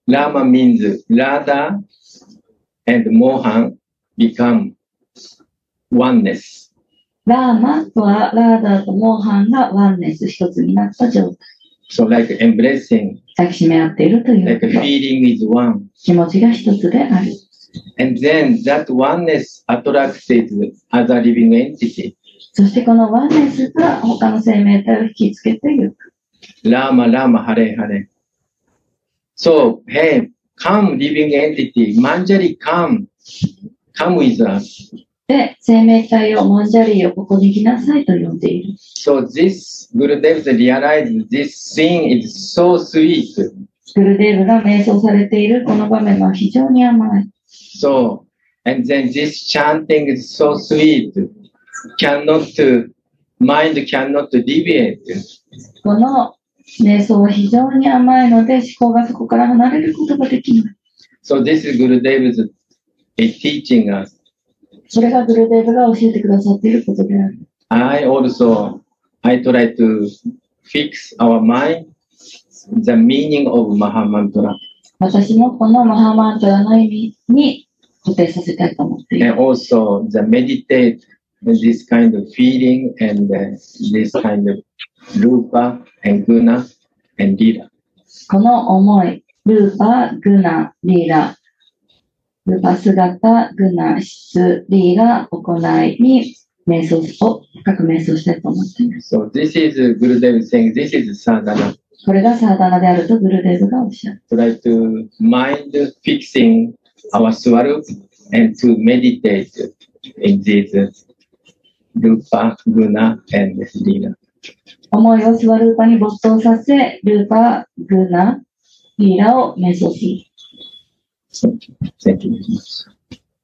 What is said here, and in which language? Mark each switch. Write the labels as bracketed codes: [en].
[en] Rama means Radha and Mohan become oneness. [ja] ラーマとはラーダとモーハンがワンネス、一つになった状態。 [en] So like embracing. [ja] 抱きしめ合っているという。 [en] Like feeling is one. [ja] 気持ちが一つである。 [en] And then that oneness attracts other living entity. [ja] そしてこのワンネスが他の生命体を引きつけていく。ラーマ、ラーマ、ハレハレ。 [en] So, hey, come living entity, マンジャリ come, come with us. [ja] で、生命体をマンジャリをここに来なさいと呼んでいる。 [en] So this, Gurudev realized this thing is so sweet. [ja] グルデーブが瞑想されているこの場面は非常に甘い。 [en] So, and then this chanting is so sweet. Cannot, mind cannot deviate. [ja] この瞑想は非常に甘いので思考がそこから離れることができない。 [en] So this is Gurudev's teaching us. [ja] それがグルデーブが教えてくださっていることである。 [en] I also, I try to fix our mind, the meaning of Mahamantra. [ja] 私もこのマハマントラの意味に固定させたいと思っています。 [en] And also, the meditate, this kind of feeling, and this kind of rupa, and guna, and lila. [ja] この思い、rupa, guna, lila. rupa 姿、guna 質、lila 行いに瞑想を深く瞑想したいと思っています。 [en] So this is Gurudev saying, this is sadhana. [ja] これがサーダナであるとグルデーブがおっしゃる。 [en] Try to mind fixing our swarup and to meditate in these rupa, guna and lila. [ja] 思いをスワルーパに没頭させ、ルーパ、グナ、リーラを瞑想し。 [en] Thank you very much.